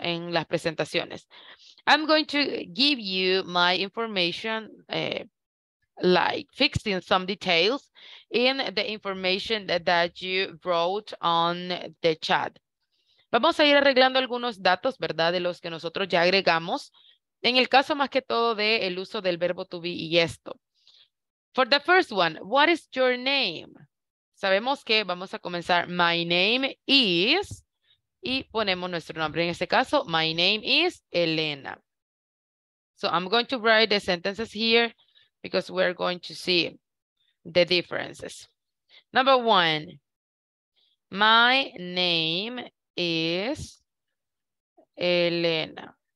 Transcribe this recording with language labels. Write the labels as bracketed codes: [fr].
[es] En las presentaciones. [en] I'm going to give you my information, like fixing some details in the information that you wrote on the chat. [es] Vamos a ir arreglando algunos datos, ¿verdad? De los que nosotros ya agregamos. En el caso más que todo de el uso del verbo to be y esto. [en] For the first one, what is your name? [es] Sabemos que vamos a comenzar [en] my name is [es] y ponemos nuestro nombre. En este caso, [en] my name is Elena. So I'm going to write the sentences here because we're going to see the differences. Number one, my name is Elena.